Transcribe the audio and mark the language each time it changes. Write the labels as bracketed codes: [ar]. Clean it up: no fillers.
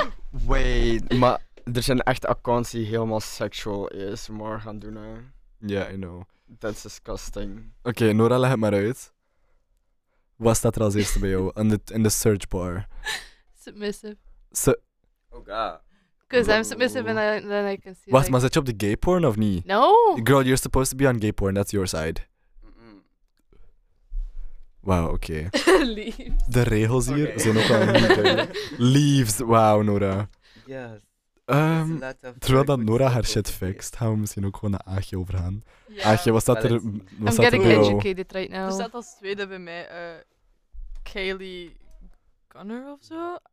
[nl] Wait, maar er zijn echt accounts die helemaal sexual is, maar gaan doen. Ja, [en] yeah, I know. That's disgusting. [nl] Oké, Nora, leg het maar uit. Wat staat er als eerste bij jou in de search bar? [en] Submissive. Oh god. Because I'm submissive and then I can see. [nl] Wacht, maar zit je op de gay porn of niet? [en] No. Girl, you're supposed to be on gay porn, that's your side. [nl] Wauw, oké. [en] Leaves. [nl] De regels hier zijn ook wel niet. Leaves, wauw, Nora. [en] Yes. [nl] Terwijl dat Nora haar shit fixt, gaan we misschien ook gewoon naar Aagje overgaan. Yeah. Aagje, wat staat er bij [en] I'm getting educated right now. [nl] Er staat als tweede bij mij, Kaylee Gunner of zo.